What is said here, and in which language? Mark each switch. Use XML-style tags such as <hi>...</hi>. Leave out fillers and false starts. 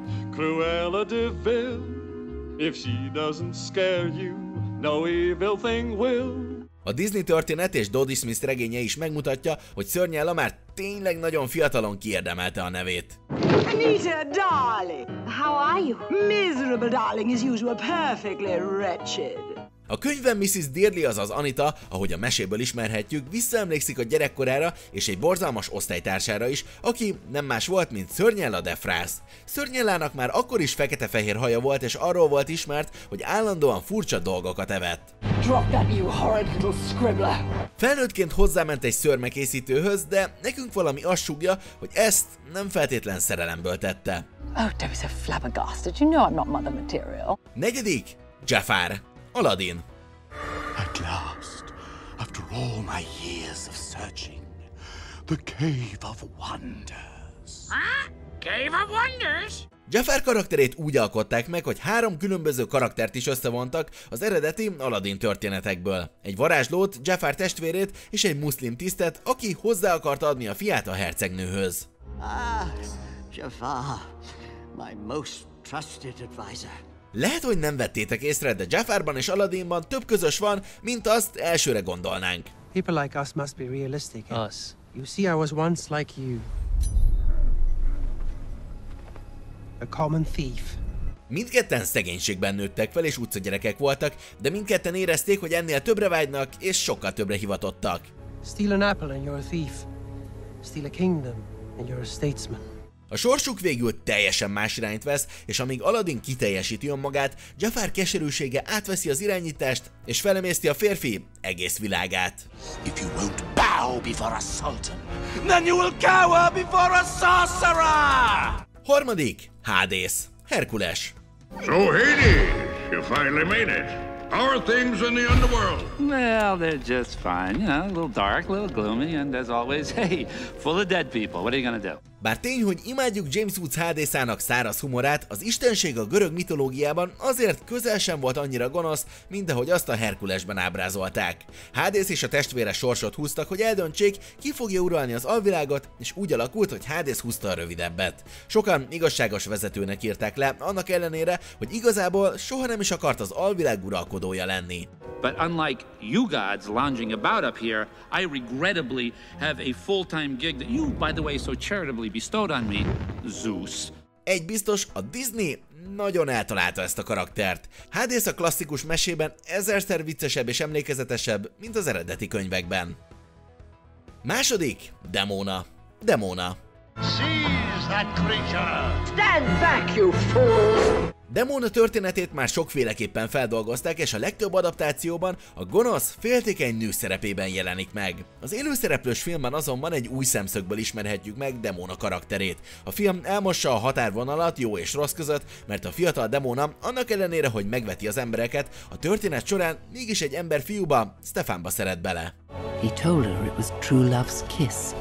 <en>Cruella de Vil, if she doesn't scare you, no evil thing will.</en> <hu>A Disney történet és Dodie Smith regénye is megmutatja, hogy Szörnyella már tényleg nagyon fiatalon kiérdemelte a nevét.</hu> <en>Anita, darling, how are you? Miserable darling is usual, perfectly wretched.</en> <hu>A könyvben Mrs. Dearley, azaz Anita, ahogy a meséből ismerhetjük, visszaemlékszik a gyerekkorára és egy borzalmas osztálytársára is, aki nem más volt, mint Szörnyella de Frász. Szörnyellának már akkor is fekete-fehér haja volt, és arról volt ismert, hogy állandóan furcsa dolgokat evett.</hu> <en>Drop that, you horrid little scribbler.</en> <hu>Felnőttként hozzáment egy szörmekészítőhöz, de nekünk valami azt súgja, hogy ezt nem feltétlen szerelemből tette.</hu> <en>Oh, that was a flabbergast. Did you know I'm not mother material? 4. Jafar. Aladdin. At last, after all my years of searching, the Cave of Wonders. Cave of Wonders?</en> <hu>Jafar karakterét úgy alkották meg, hogy három különböző karaktert is összevontak az eredeti Aladdin történetekből. Egy varázslót, Jafar testvérét és egy muszlim tisztet, aki hozzá akart adni a fiát a hercegnőhöz.</hu> <en>Jafar, my most trusted advisor.</en> <hu>Lehet, hogy nem vettétek észre, de Jafarban és Aladdinban több közös van, mint azt elsőre gondolnánk.</hu> <en>People like us must be realistic. Us. You see, I was once like you. A common thief.</en> <hu>Mindketten szegénységben nőttek fel és utcagyerekek voltak, de mindketten érezték, hogy ennél többre vágynak és sokkal többre hivatottak.</hu> <en>Steal an apple and you're a thief. Steal a kingdom and you're a statesman.</en> <hu>A sorsuk végül teljesen más irányt vesz, és amíg Aladdin kiteljesíti önmagát, Jafar keserűsége átveszi az irányítást, és felemészti a férfi egész világát.</hu> <en>If you won't bow before a sultan, then you will cower before a sorcerer! 3. Hades. Herkules. So Hades, you finally made it. How are things in the underworld? Well, they're just fine, you know, a little dark, a little gloomy, and as always, hey, full of dead people, what are you gonna do?</en> <hu>Bár tény, hogy imádjuk James Woods Hadesának száraz humorát, az istenség a görög mitológiában azért közel sem volt annyira gonosz, mint ahogy azt a Herkulesben ábrázolták. Hades és a testvére sorsot húztak, hogy eldöntsék, ki fogja uralni az alvilágot, és úgy alakult, hogy Hades húzta a rövidebbet. Sokan igazságos vezetőnek írták le, annak ellenére, hogy igazából soha nem is akart az alvilág uralkodója lenni.</hu> <en>But unlike you gods lounging about up here, I regrettably have a full-time gig that you, by the way, so charitably bestowed on me, Zeus.</en> <hu>Egy biztos, a Disney nagyon eltalálta ezt a karaktert. Hades a klasszikus mesében ezerszer viccesebb és emlékezetesebb, mint az eredeti könyvekben.</hu> <en>2. Demona. Demona. Seize that creature! Stand back, you fool!</en> <hu>Demona történetét már sokféleképpen feldolgozták, és a legtöbb adaptációban a gonosz, féltékeny nő szerepében jelenik meg. Az élőszereplős filmben azonban egy új szemszögből ismerhetjük meg Demona karakterét. A film elmossa a határvonalat jó és rossz között, mert a fiatal Demona, annak ellenére, hogy megveti az embereket, a történet során mégis egy ember fiúba, Stefánba szeret bele.</hu> <en>He told her it was true love's kiss.</en>